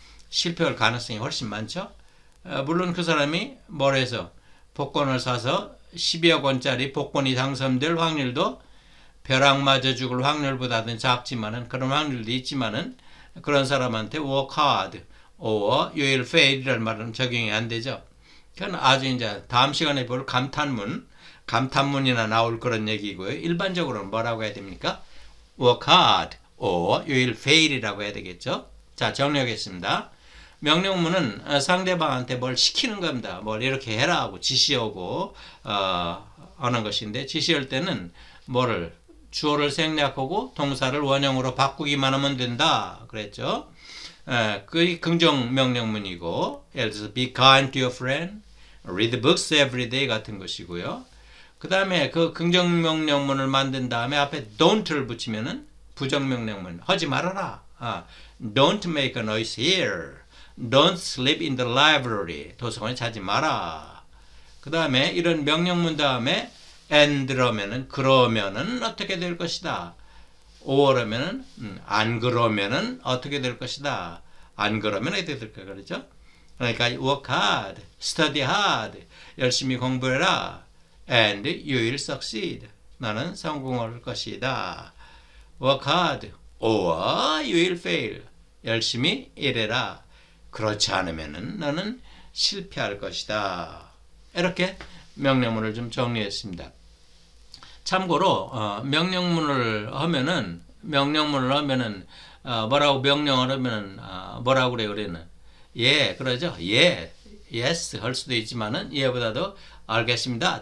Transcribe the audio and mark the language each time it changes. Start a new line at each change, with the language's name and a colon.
Korean: 실패할 가능성이 훨씬 많죠. 물론 그 사람이 뭘 해서 복권을 사서 12억 원짜리 복권이 당첨될 확률도 벼락 맞아 죽을 확률보다는 작지만은 그런 확률도 있지만은 그런 사람한테
English: work hard or you will fail
Korean: 이란 말은 적용이 안 되죠. 그건 아주 이제 다음 시간에 볼 감탄문이나 나올 그런 얘기고요. 일반적으로는 뭐라고 해야 됩니까?
English: work hard or you will fail
Korean: 이라고 해야 되겠죠. 자 정리하겠습니다. 명령문은 상대방한테 뭘 시키는 겁니다. 뭘 이렇게 해라 하고 지시하고 하는 것인데 지시할 때는 뭐를 주어를 생략하고 동사를 원형으로 바꾸기만 하면 된다 그랬죠. 그게 긍정 명령문이고 예를 들어서
English: be kind to your friend, read books every day
Korean: 같은 것이고요. 그 다음에 그 긍정 명령문을 만든 다음에 앞에 don't를 붙이면은 부정 명령문 하지 말아라.
English: Don't make a noise here. Don't sleep in the library.
Korean: 도서관에 자지 마라. 그 다음에 이런 명령문 다음에 and라면은 그러면은 어떻게 될 것이다. or라면은 안 그러면은 어떻게 될 것이다. 안 그러면 어떻게 될까 그러죠. 그러니까
English: work hard, study hard,
Korean: 열심히 공부해라.
English: and you will succeed.
Korean: 나는 성공할 것이다.
English: work hard or you will fail.
Korean: 열심히 일해라. 그렇지 않으면은 너는 실패할 것이다. 이렇게 명령문을 좀 정리했습니다. 참고로 명령문을 하면은 뭐라고 명령을 하면은 뭐라고 그래요? 우리는 예 그러죠. 예, yes 할 수도 있지만은 예보다도 알겠습니다.